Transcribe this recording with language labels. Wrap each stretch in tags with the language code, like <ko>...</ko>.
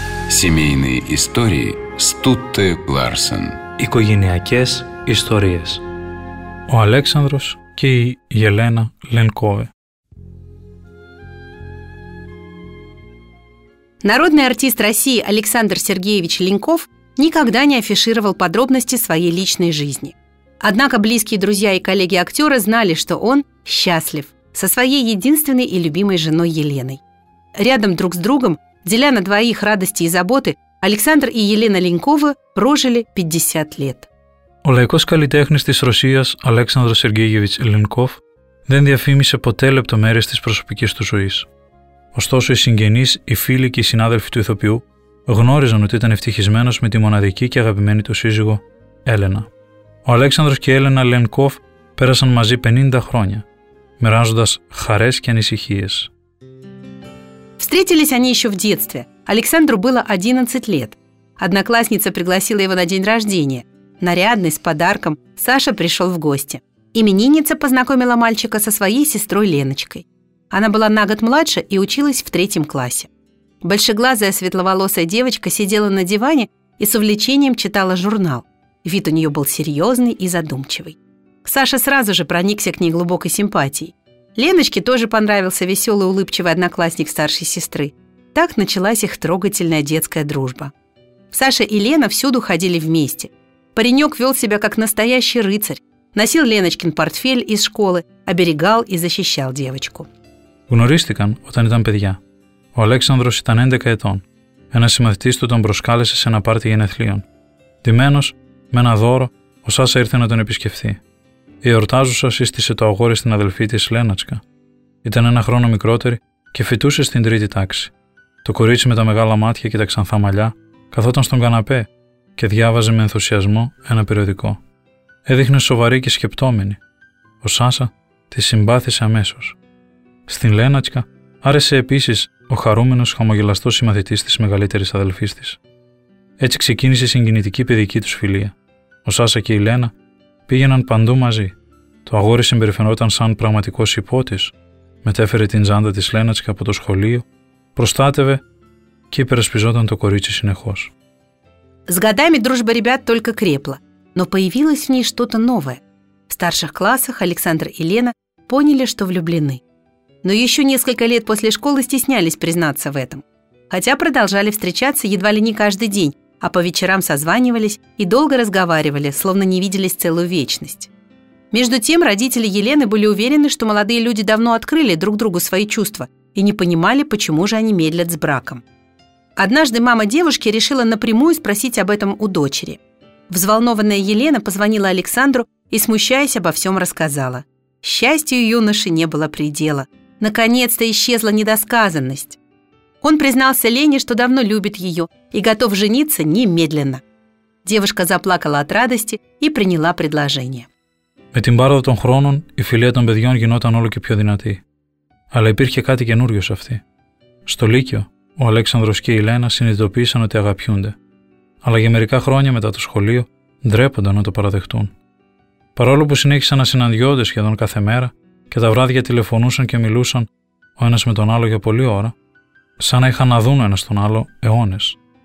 <ru>Семейные истории Стутте Ларсен.</ru> <el>Οικογενειακές ιστορίες. Ο Αλέξανδρος και η Γελένα Λενκόε.</el> <ru>Народный артист России Александр Сергеевич Ленков никогда не афишировал подробности своей личной жизни. Однако близкие друзья и коллеги актера знали, что он счастлив со своей единственной и любимой женой Еленой. Рядом друг с другом, деля на двоих радости и заботы, Александр и Елена Ленковы прожили 50 лет.</ru> <el>Ο λαϊκός καλλιτέχνης της Ρωσίας, Αλέξανδρος Σεργέγεβιτς Λενκόφ, δεν διαφήμισε ποτέ λεπτομέρειες της προσωπικής του ζωής. Ωστόσο, οι συγγενείς, οι φίλοι και οι συνάδελφοι του ηθοποιού γνώριζαν ότι ήταν ευτυχισμένος με τη μοναδική και αγαπημένη του σύζυγο, Έλενα. Ο Αλέξανδρος και η Έλενα Λενκόφ πέρασαν μαζί 50 χρόνια, μοιράζοντας χαρές και ανησυχίες.</el> <ru>Встретились они еще в детстве. Александру было 11 лет. Одноклассница пригласила его на день рождения. Нарядный, с подарком, Саша пришел в гости. Именинница познакомила мальчика со своей сестрой Леночкой. Она была на год младше и училась в третьем классе. Большеглазая светловолосая девочка сидела на диване и с увлечением читала журнал. Вид у нее был серьезный и задумчивый. Саша сразу же проникся к ней глубокой симпатией. Леночке тоже понравился веселый, улыбчивый одноклассник старшей сестры. Так началась их трогательная детская дружба. Саша и Лена всюду ходили вместе. Паренек вел себя как настоящий рыцарь. Носил Леночкин портфель из школы, оберегал и защищал девочку.</ru> <el>Гнористикан, όταν ήταν παιδιά. Ο Αλέξανδρος ήταν 11 ετών. Ένας συμμαθητής του τον προσκάλεσε σε ένα πάρτι γενεθλίων. Ντυμένος, με ένα δώρο, ο Σάσα ήρθε να τον επισκεφθεί. Η εορτάζουσα σύστησε το αγόρι στην αδελφή της Λένατσκα. Ήταν ένα χρόνο μικρότερη και φοιτούσε στην τρίτη τάξη. Το κορίτσι με τα μεγάλα μάτια και τα ξανθά μαλλιά καθόταν στον καναπέ και διάβαζε με ενθουσιασμό ένα περιοδικό. Έδειχνε σοβαρή και σκεπτόμενη. Ο Σάσα τη συμπάθησε αμέσως. Στην Λένατσκα άρεσε επίσης ο χαρούμενος χαμογελαστός συμμαθητής της μεγαλύτερης αδελφής της. Έτσι ξεκίνησε η συγκινητική παιδική τους φιλία. Ο Σάσα και η Λένα πήγαιναν παντού μαζί. Το αγόρι συμπεριφερόταν σαν πραγματικός υπότης. Μετέφερε την τζάντα της Λένατσκα από το σχολείο, προστάτευε και υπερασπιζόταν το κορίτσι συνεχώς.</el> <ru>С годами дружба ребят только крепла, но появилось в ней что-то новое. В старших классах Александр и Лена поняли, что влюблены. Но еще несколько лет после школы стеснялись признаться в этом. Хотя продолжали встречаться едва ли не каждый день, а по вечерам созванивались и долго разговаривали, словно не виделись целую вечность. Между тем родители Елены были уверены, что молодые люди давно открыли друг другу свои чувства и не понимали, почему же они медлят с браком. Однажды мама девушки решила напрямую спросить об этом у дочери. Взволнованная Елена позвонила Александру и, смущаясь, обо всем рассказала. Счастью юноши не было предела. Наконец-то исчезла недосказанность. Он признался Лене, что давно любит ее и готов жениться немедленно. Девушка заплакала от радости и приняла предложение.</ru> <el>Με την πάροδο των χρόνων, η φιλία των παιδιών γινόταν όλο και πιο δυνατή. Αλλά υπήρχε κάτι καινούριο σε αυτή. Στο Λύκειο, ο Αλέξανδρος και η Λένα συνειδητοποίησαν ότι αγαπιούνται. Αλλά για μερικά χρόνια μετά το σχολείο, ντρέπονταν να το παραδεχτούν. Παρόλο που συνέχισαν να συναντιόνται σχεδόν κάθε μέρα και τα βράδια τηλεφωνούσαν και μιλούσαν ο ένας με τον άλλο για πολλή ώρα, σαν να είχαν να δουν ο ένας τον άλλο αιώνες.</el>